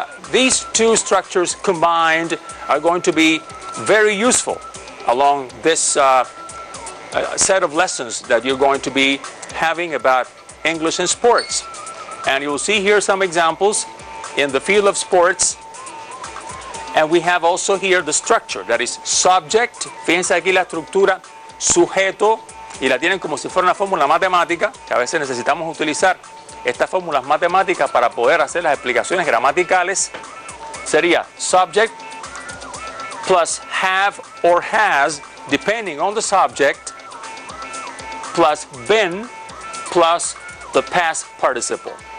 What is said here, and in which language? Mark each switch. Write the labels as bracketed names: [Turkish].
[English] These two structures combined are going to be very useful along this set of lessons that you're going to be having about English and sports. And you'll see here some examples in the field of sports. And we have also here the structure, that is subject. [Spanish] Fíjense aquí la estructura sujeto, y la tienen como si fuera una fórmula matemática, que a veces necesitamos utilizar estas fórmulas matemáticas para poder hacer las explicaciones gramaticales. [English] Sería subject plus have or has, depending on the subject, plus been plus the past participle.